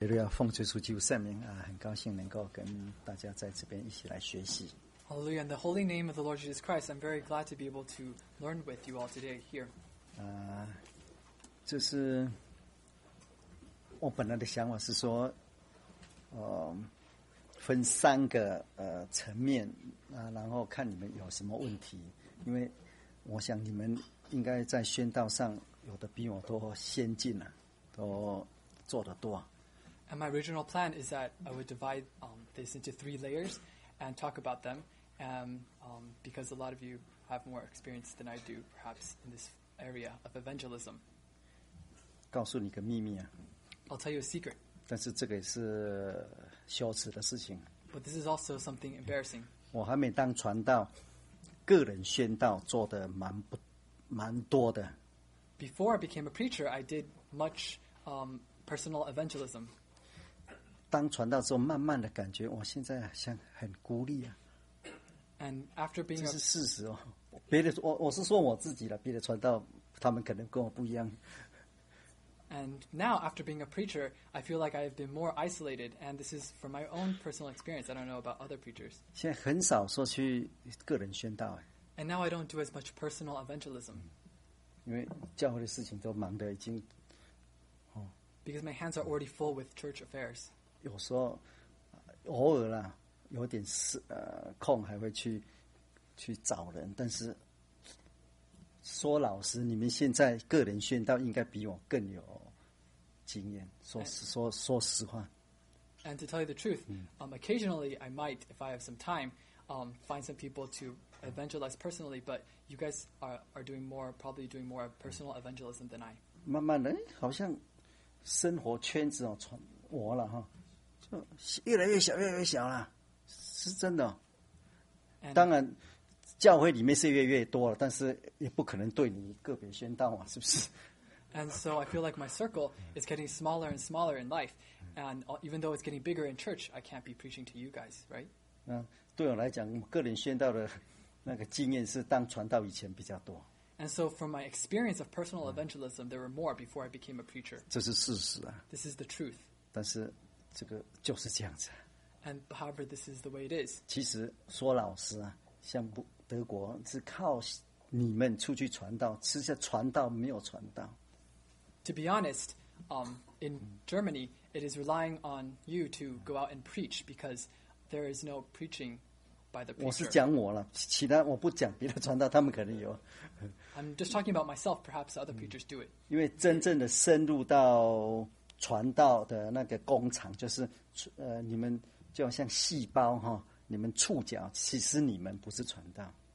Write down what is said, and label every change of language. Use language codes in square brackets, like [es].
[zh] 耶路亚奉主耶稣基督圣名啊，很高兴能够跟大家在这边一起来学习。 [en] Hallelujah! In the holy name of the Lord Jesus Christ, I'm very glad to be able to learn with you all today here. [zh] 就是我本来的想法是说，分三个层面啊，然后看你们有什么问题，因为我想你们应该在宣道上有的比我都先进啊，都做得多。 [en] And my original plan is that I would divide this into three layers and talk about them, because a lot of you have more experience than I do, perhaps, in this area of evangelism. [zh] 告诉你个秘密啊。 [en] I'll tell you a secret. [zh] 但是这个也是羞耻的事情。 [en] But this is also something embarrassing. [zh] 我还没当传道，个人宣道做得蛮多的。 [en] Before I became a preacher, I did much personal evangelism. [zh] 当传道之后，慢慢的感觉，我现在像很孤立啊。 [en] And after being [zh] 这是事实哦。别的，我是说我自己了。别的传道，他们可能跟我不一样。 [en] And now, after being a preacher, I feel like I have been more isolated. And this is from my own personal experience. I don't know about other preachers. [zh] 现在很少说去个人宣道。 [en] And now I don't do as much personal evangelism. [zh] 因为教会的事情都忙得已经，哦。 [en] Because my hands are already full with church affairs. [zh] 有时候偶尔啦，有点空，还会去找人。但是说老实，你们现在个人宣道应该比我更有经验。说实话。 [en] And to tell you the truth, occasionally I might, if I have some time, find some people to evangelize personally. But you guys are doing more, probably doing more personal evangelism than I. [zh] 慢慢的，好像生活圈子哦，传我了哈。越来越小，越来越小了，是真的。当然，教会里面是越来越多了，但是也不可能对你个别宣道嘛，是不是 [en] ？And so I feel like my circle is getting smaller and smaller in life, and even though it's getting bigger in church, I can't be preaching to you guys, right? [zh] 对我来讲，个人宣道的那个经验是当传道以前比较多。 [en] And so from my experience of personal evangelism, there were more before I became a preacher. [zh] 这是事实啊。 [en] This is the truth. [zh] 但是。这个就是这样子。 [en] And however, this is the way it is. [zh] 其实说老实啊，像德国是靠你们出去传道，其实传道没有传道。 [en] To be honest, in Germany, it is relying on you to go out and preach because there is no preaching by the preacher. [zh] 我是讲我了，其他我不讲别的传道，他们可能有。 [en] I'm just talking about myself. Perhaps other preachers do it. [zh] 因为真正的深入到。传道的那个工厂就是你们就好像细胞哈，你们触角，其实你们不是传道。